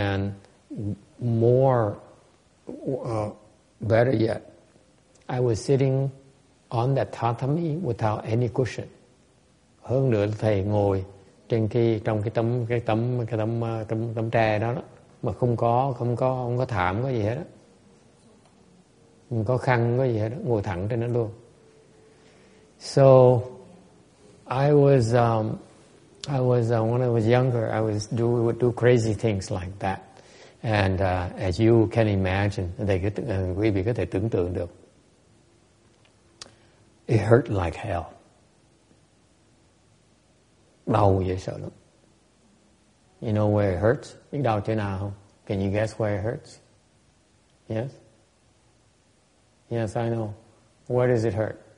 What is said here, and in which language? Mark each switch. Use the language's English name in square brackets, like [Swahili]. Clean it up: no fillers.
[English] And more, better yet, I was sitting on that tatami without any cushion. [Vietnamese] Hơn nữa là thầy ngồi trên cái trong cái tấm tre đó, đó mà không có thảm có gì hết đó. Không có khăn có gì hết đó, ngồi thẳng trên đó luôn. [English] So I was when I was younger, I would do crazy things like that. And as you can imagine, [Vietnamese] quý vị có thể tưởng tượng được. [English] It hurt like hell. [Vietnamese] Đau dễ sợ lắm. [English] You know where it hurts? [Vietnamese] Biết đau chỗ nào không? [English] Can you guess where it hurts? Yes? Yes, I know. Where does it hurt?